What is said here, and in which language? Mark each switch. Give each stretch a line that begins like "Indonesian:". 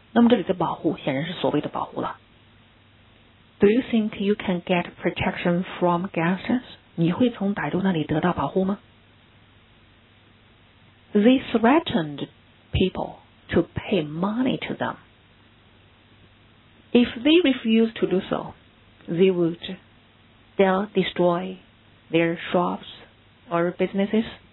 Chinese: 那么这里的保护显然是所谓的保护了。
English: Do you think you can get protection from gangsters?
Chinese: 你会从歹徒那里得到保护吗？
English: They threatened people to pay money to them. If they refused to do so, they would destroy their shops or businesses.